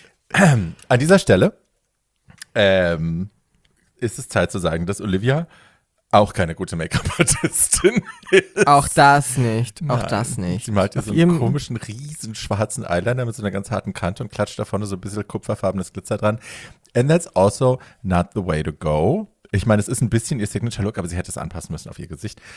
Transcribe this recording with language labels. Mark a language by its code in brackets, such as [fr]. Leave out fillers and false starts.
[de] An dieser Stelle ist es Zeit zu sagen, dass Olivia auch keine gute Make-up-Artistin ist. Auch das nicht. Auch das nicht. Sie malt diesen komischen, riesen schwarzen Eyeliner mit so einer ganz harten Kante und klatscht da vorne so ein bisschen kupferfarbenes Glitzer dran. [en] And that's also not the way to go. [de] Ich meine, es ist ein bisschen ihr Signature-Look, aber sie hätte es anpassen müssen auf ihr Gesicht.